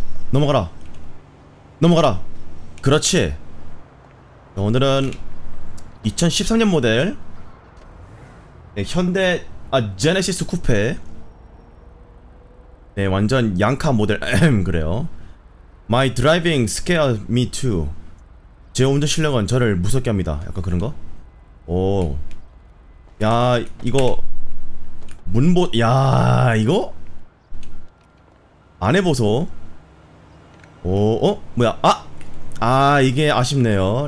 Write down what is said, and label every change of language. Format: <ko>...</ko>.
<ko>넘어가라. 넘어가라. 그렇지. 오늘은 2013년 모델 네, 현대 아 제네시스 쿠페 네 완전 양카 모델 그래요.</ko> <en>My driving scares me too.</en> <ko>제 운전 실력은 저를 무섭게 합니다. 약간 그런 거? 오 야 이거 문보 야 이거 안 해보소 오 어 뭐야 아 아 이게 아쉽네요.</ko>